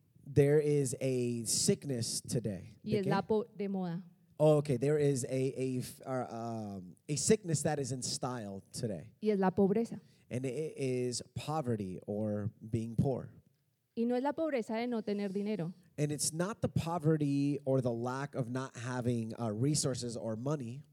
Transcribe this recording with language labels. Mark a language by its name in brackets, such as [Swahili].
[English] There is a sickness today. [Spanish] Y es la de moda. [English] Oh, okay, there is a sickness that is in style today. [Spanish] Y es la pobreza. [English] And it is poverty or being poor. [Spanish] Y no es la pobreza de no tener dinero. [English] And it's not the poverty or the lack of not having resources or money.